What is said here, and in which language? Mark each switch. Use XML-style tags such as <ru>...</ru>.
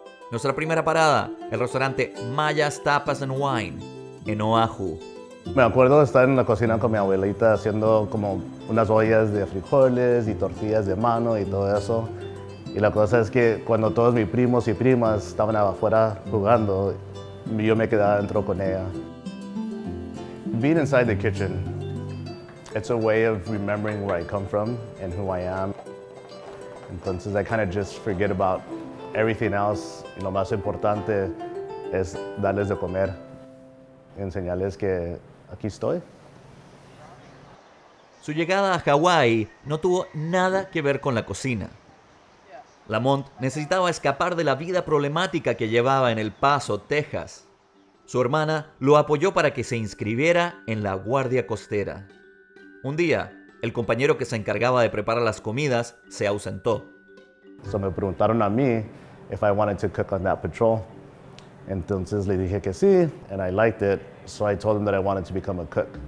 <es>Nuestra primera parada, el restaurante Maya's Tapas and Wine, en Oahu. Me acuerdo estar en la cocina con mi abuelita haciendo como unas ollas de frijoles y tortillas de mano y todo eso. Y la cosa es que cuando todos mis primos y primas estaban afuera jugando, yo me quedaba dentro con ella.</es> <en>Being inside the kitchen, it's a way of remembering where I come from and who I am.</en> <es>Entonces,</es> <en>I kind of just forget about everything else.</en> <es>Y lo más importante es darles de comer. Enseñarles que aquí estoy. Su llegada a Hawái no tuvo nada que ver con la cocina. Lamont necesitaba escapar de la vida problemática que llevaba en El Paso, Texas. Su hermana lo apoyó para que se inscribiera en la Guardia Costera. Un día, el compañero que se encargaba de preparar las comidas se ausentó.</es> <en>So</en> <es>me preguntaron a mí</es> <en>if I wanted to cook on that patrol.</en> <es>Entonces le dije que sí,</es> <en>and I liked it, so I told him that I wanted to become a cook.</en>